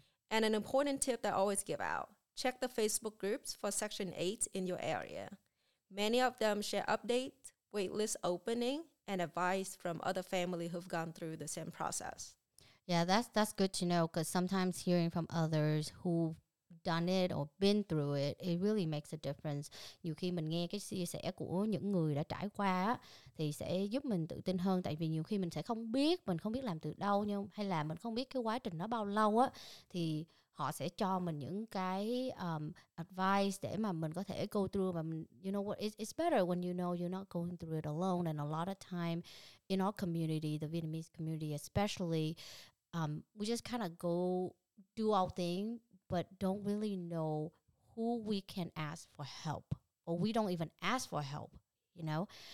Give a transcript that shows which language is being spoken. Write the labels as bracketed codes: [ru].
[en] And an important tip that I always give out, check the Facebook groups for Section 8 in your area. Many of them share updates, waitlist opening, and advice from other family who've gone through the same process. Yeah, that's good to know, because sometimes hearing from others who've done it or been through it, it really makes a difference. [vi] Nhiều khi mình nghe cái chia sẻ của những người đã trải qua á, thì sẽ giúp mình tự tin hơn. Tại vì nhiều khi mình sẽ không biết, mình không biết làm từ đâu, nhưng hay là mình không biết cái quá trình nó bao lâu á, thì họ sẽ cho mình những cái advice để mà mình có thể [en] go through. [vi] Và mình, [en] you know what, it's better when you know you're not going through it alone. And a lot of time in our community, the Vietnamese community especially, we just kind of go do our thing, but don't really know who we can ask for help, or we don't even ask for help, you know?